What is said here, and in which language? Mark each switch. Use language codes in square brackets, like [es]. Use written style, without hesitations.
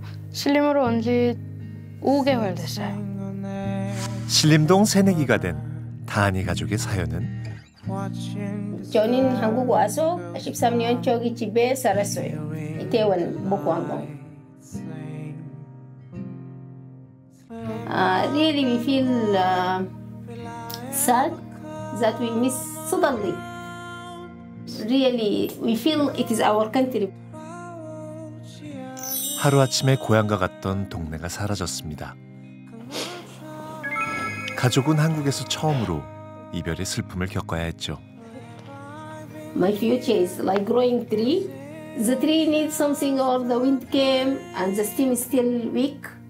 [ko] 신림으로 온 지 5개월 됐어요. 신림동 새내기가 된 다한이 가족의 사연은 저는 한국 와서 13년 저기 집에 살았어요. 이태원 목광동. [en] Really, we feel sad that we miss suddenly. Really, we feel it is our country. [ko] 하루아침에 고향과 같던 동네가 사라졌습니다. 가족은 한국에서 처음으로 이별의 슬픔을 겪어야 했죠. [en] My future is like growing tree. The tree needs something or the wind came and the stem is still weak.